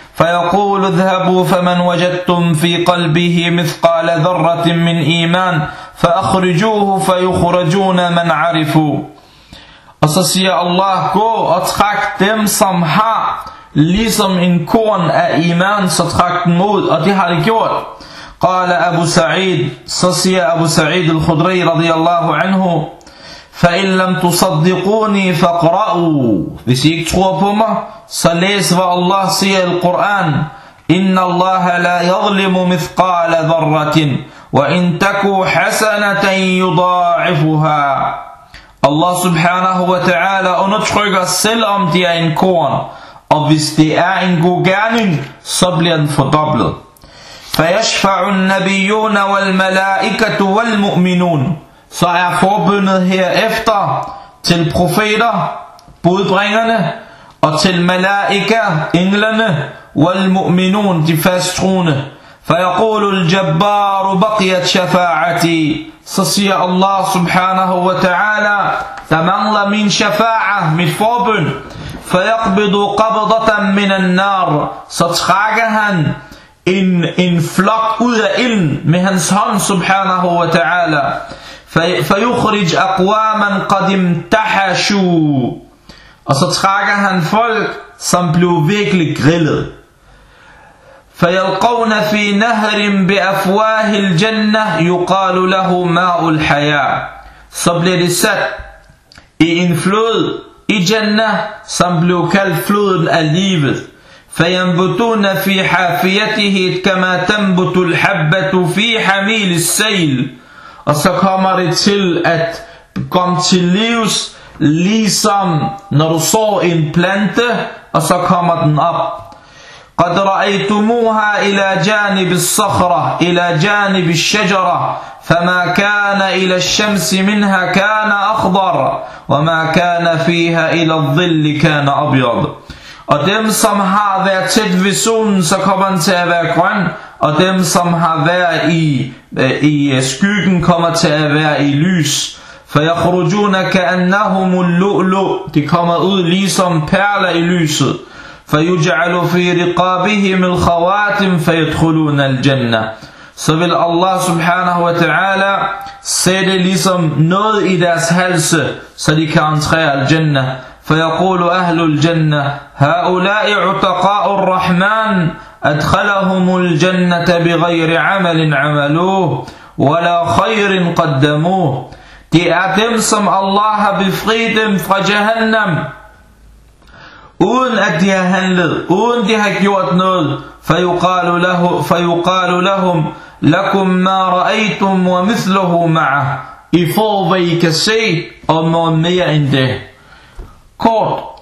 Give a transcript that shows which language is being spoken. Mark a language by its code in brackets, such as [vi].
[ar] فَيَقُولُ اذْهَبُوا فَمَنْ وَجَدْتُمْ فِي قَلْبِهِ مِثْقَالَ ذَرَّةٍ مِّنْ إِيمَانٍ فَأَخْرِجُوهُ فَيُخْرَجُونَ مَنْ عَرِفُوا. [da] Og så siger Allah, gå og træk dem, som har ligesom en korn af iman, så træk dem ud, og det har de gjort. [ar] قَالَ أَبُو سَعِيدٍ. [da] Så siger Abu Sa'id al-Khudri [ar] رضي الله عنه, فَإِن لَمْ تُصَدِّقُونِي فَقْرَأُوا. [da] Hvis I ikke tror på mig, så læs hvad Allah siger i Al-Quran. [ar] إِنَّ اللَّهَ لَا يَظْلِمُ مِثْقَالَ ذَرَّةٍ وَإِن تَكُوا حَسَنَةً يُضَاعِفُهَا. [da] Allah subhanahu wa ta'ala undertrykker, selvom de er en korn, og hvis det er en god gerning, så bliver den fordoblet. [ar] فَيَشْفَعُ النَّبِيُّونَ وَالْمَلَائِكَةُ وَالْمُؤْمِنُونَ. [da] Så er forbundet herefter til profeter, budbringerne, og til malaika, englene, wal-mu'minun, de fasttroende. [ar] فَيَقُولُ الْجَبَّارُ بَقِيَتْ شَفَاعَتِي. [da] Så siger Allah subhanahu wa ta'ala, der mangler min shafa'a, mit forbund. [ar] فَيَقْبِضُ قَبْضَةً مِنَ النَّارِ. [da] Så trækker han en flok ud af ilden med hans hånd subhanahu wa ta'ala. [ar] فيخرج اقواما قد امتحشوا. [da] Og så trækker han folk, som blev virkelig grillet. [ar] فيلقون في نهر بافواه الجنه يقال له ماء الحياه. [da] Så bliver de sat i en flod i jannah, som blev kaldt floden af livet. [ar] فينبتون في حافيته كما تنبت الحبه في حميل السيل. [da] Og så kommer det til at komme til livs, ligesom når du så en plante, og så kommer den op. [ar] قَدْ رَأَيْتُمُوهَا إِلَى جَانِبِ الصَّخْرَةِ إِلَى جَانِبِ الشَّجَرَةِ فَمَا كَانَ إِلَى الشَّمْسِ مِنْهَا كَانَ أَخْضَرَ وَمَا كَانَ فِيهَا إِلَى الظِّلِّ كَانَ أَبْيَضَ. [da] Og dem som har været tæt ved solen, så kommer den til at være grøn, og dem som har været i skyggen kommer til at være i lys. [ar] فَيَخْرُجُونَ كَأَنَّهُمُ اللُّؤْلُؤُ. [da] De kommer ud ligesom perler i lyset. [ar] فَيُجْعَلُ فِي رِقَابِهِمِ الْخَوَاتِمِ فَيَدْخُلُونَ الْجَنَّةِ. [da] Så vil Allah subhanahu wa ta'ala sætte ligesom noget i deres halse, så de kan entrere al-jannah. [ar] فَيَقُولُ أَهْلُ الْجَنَّةِ هَؤُلَاءِ عُتَقَاءُ الرَّحْمَنِ أدخلهم الجنة بغير عمل عملوه ولا خير قدموه. [da] De er dem, som Allah har befriet dem fra jahannam, uden at de har handlet, uden de har gjort noget. [ar] فَيُقَالُ لَهُمْ لَكُمْ مَا رَأَيْتُمْ وَمِثْلُهُ مَعَهُ. [da] I får, hvad I kan se, og noget mere end det. Kort.